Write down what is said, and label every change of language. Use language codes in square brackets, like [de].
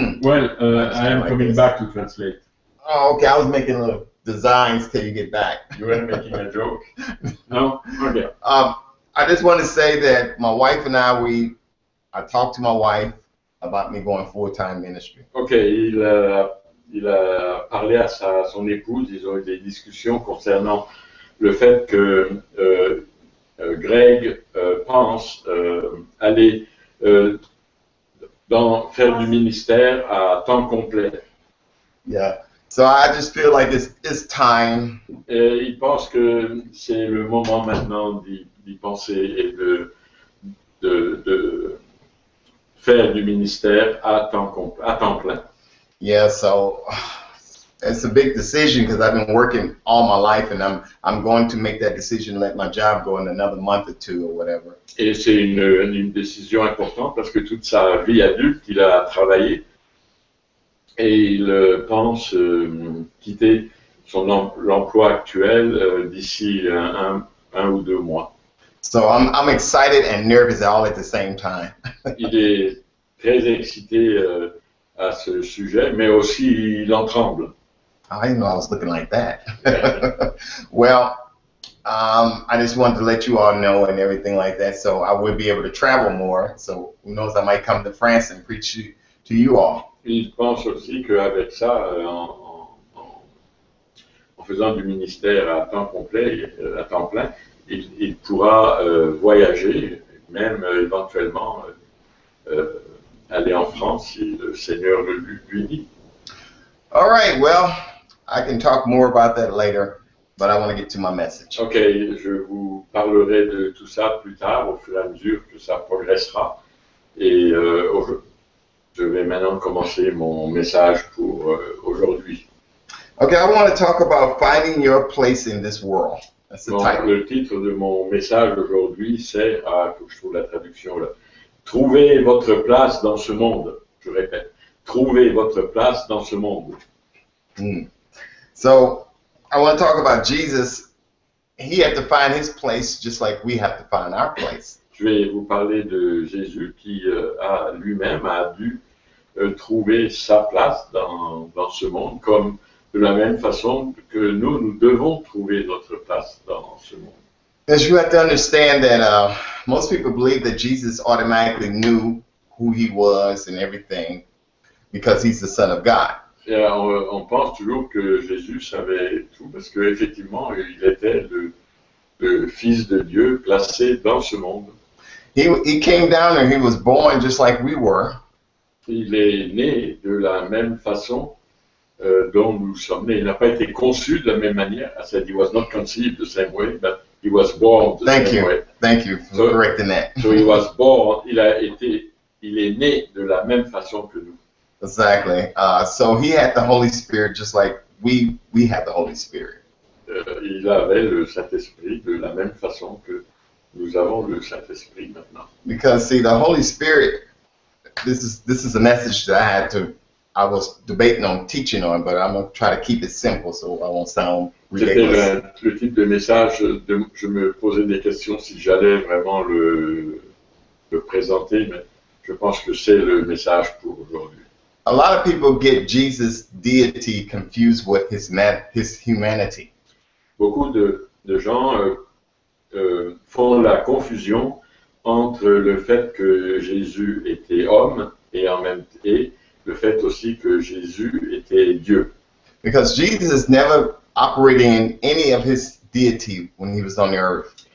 [en] understand am like coming this. back to translate. Oh, okay. I was making little designs till you get back. You were making a joke. No? Okay. I just want to say that my wife and I talked to my wife about me going full-time ministry. [fr] Okay, il a parlé à son épouse, ils ont eu des discussions concernant le fait que Greg pense aller faire du ministère à temps complet. [en] Yeah, so I just feel like it's time. [fr] Et il pense que c'est le moment maintenant d'y penser et de faire du ministère à temps plein. [en] Yeah, so it's a big decision because I've been working all my life and I'm going to make that decision to let my job go in another month or two or whatever. [fr] Et c'est une décision importante parce que toute sa vie adulte, il a travaillé et il pense quitter l'emploi actuel d'ici un ou deux mois. [en] So I'm excited and nervous all at the same time. [fr] Il est très excité à ce sujet, mais aussi il en tremble. [en] I didn't know I was looking like that. Well, I just wanted to let you all know and everything like that, so I would be able to travel more. So who knows, I might come to France and preach to you all. [fr] Il pense aussi qu'avec ça, en faisant du ministère à temps complet, à temps plein, il pourra voyager, même éventuellement aller en France si le Seigneur lui dit. [en] All right, well. I can talk more about that later, but I want to get to my message. [fr] Ok, je vous parlerai de tout ça plus tard, au fur et à mesure que ça progressera. Et je vais maintenant commencer mon message pour aujourd'hui. [en] Okay, I want to talk about finding your place in this world. That's the [fr] Donc, [en] title. [fr] le titre de mon message aujourd'hui, c'est, faut que je trouve la traduction là. Trouvez votre place dans ce monde. Je répète, trouvez votre place dans ce monde. [en] So, I want to talk about Jesus. He had to find his place just like we have to find our place. [fr] Je vais vous parler de Jésus qui a lui-même a dû trouver sa place dans ce monde, comme de la même façon que nous devons trouver notre place dans ce monde. [en] As you have to understand that most people believe that Jesus automatically knew who he was and everything because he's the Son of God. [fr] Et on pense toujours que Jésus savait tout parce que effectivement, il était le Fils de Dieu placé dans ce monde. [en] He came down and he was born just like we were. [fr] Il est né de la même façon dont nous sommes nés. Il n'a pas été conçu de la même manière. [en] I said he was not conceived the same way, but he was born the Thank same you. way. Thank you for So correcting he that. was born, [fr] il est né de la même façon que nous. [en] Exactly. So he had the Holy Spirit just like we have the Holy Spirit. [fr] Il avait le Saint-Esprit de la même façon que nous avons le Saint-Esprit maintenant. [en] Because see, the Holy Spirit, this is a message that I had to, I was debating on teaching on, but I'm going to try to keep it simple so I won't sound ridiculous. [fr] C'était le type de message, je me posais des questions si j'allais vraiment le présenter, mais je pense que c'est le message pour aujourd'hui. [en] A lot of people get Jesus' deity confused with his humanity. [fr] Beaucoup de gens font la confusion entre le fait que Jésus était homme et le fait aussi que Jésus était Dieu. [en] Because Jesus is never operating in any of his deity when he was on the earth.